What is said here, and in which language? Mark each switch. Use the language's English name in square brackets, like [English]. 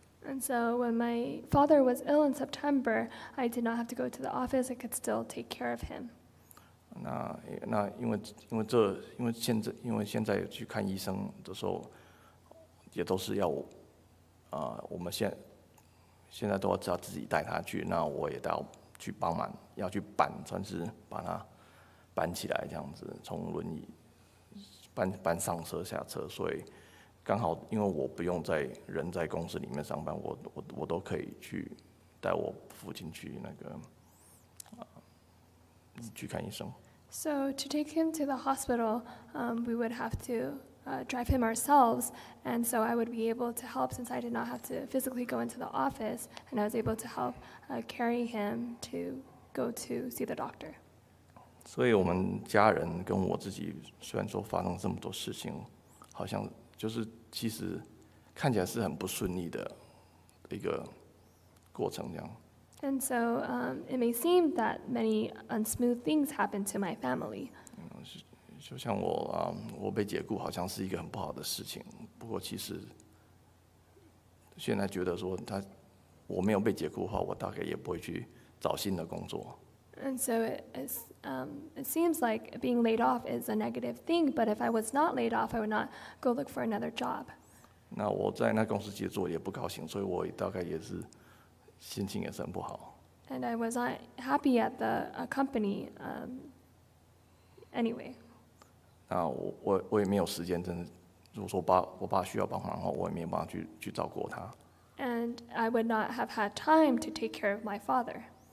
[English] And so when my father was ill in September, I did not have to go to the office. I could still take care of him. [Chinese] 那因为现在去看医生的时候，也都是要我们现在都要自己带他去，那我也要去帮忙，要去搬，算是把他搬起来这样子，从轮椅搬上车下车，所以刚好因为我不用在人在公司里面上班，我都可以去带我父亲去那个去看医生。 [English] So to take him to the hospital, we would have to drive him ourselves, and so I would be able to help since I did not have to physically go into the office, and I was able to help carry him to go to see the doctor. [Chinese] 所以我们家人跟我自己虽然说发生这么多事情，好像就是其实看起来是很不顺利的一个过程这样。 [English] And so it may seem that many unsmooth things happened to my family. [Chinese] 就像我啊，我被解雇好像是一个很不好的事情。不过其实，现在觉得说他，我没有被解雇的话，我大概也不会去找新的工作。 [English] And so it seems like being laid off is a negative thing. But if I was not laid off, I would not go look for another job. [Chinese] 那我在那公司其实做也不高兴，所以我大概也是心情也是很不好。 [English] And I was not happy at the company. Anyway. [Chinese] 那我也没有时间，真的。如果说我爸需要帮忙的话，我也没有办法去照顾他。 [English] And I would not have had time to take care of my father.